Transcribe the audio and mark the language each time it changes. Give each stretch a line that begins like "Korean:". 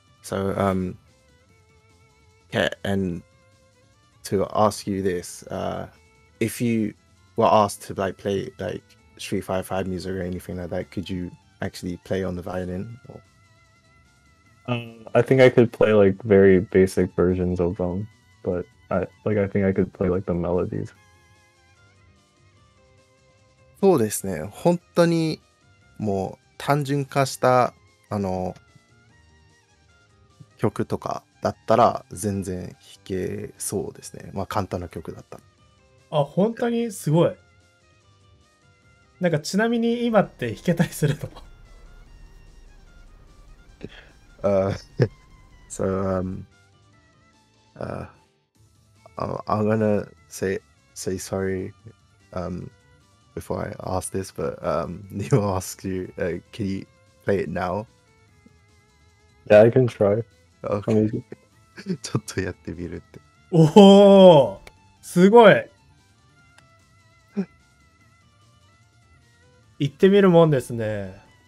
English: So, yeah, and to ask you this, if you were asked to play like Street Fighter V music or anything like that, could you actually play on the violin? I think I could play like very basic versions of them, but I think I could play like the melodies.
Japanese: そうですね、本当にもう単純化した曲とかだったら全然弾けそうですね。まあ簡単な曲だった。あ、本当にすごい。なんかちなみに今って弾けたりすると思う。
English: I'm gonna say sorry. Before I ask this, but Neil asks you, can you play it now? Yeah, I can try. Okay.
Japanese: ちょっとやってみるって。おお、すごい。行ってみるもんですね。